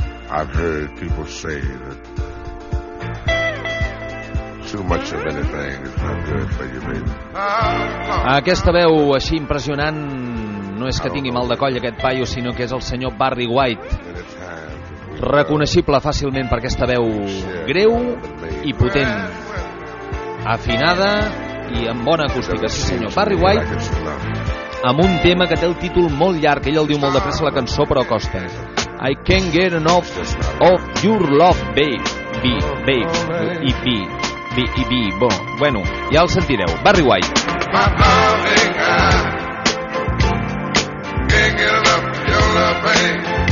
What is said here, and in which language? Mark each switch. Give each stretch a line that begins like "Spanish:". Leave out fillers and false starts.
English: I've heard people say that too much of anything is not good for you, baby.
Catalan: Aquesta veu així impressionant no és que tingui mal de coll aquest paio, sinó que és el senyor Barry White, reconeixible fàcilment per aquesta veu greu i potent, afinada i amb bona acústica. Sí, senyor, Barry White, amb un tema que té el títol molt llarg, ell el diu molt de pressa la cançó, però costa.
English: I can't get enough of your love, baby, baby, baby, baby, baby.
Catalan: Bueno, ja el sentireu,
English: Barry White. My loving eye, can't get enough of your love, baby.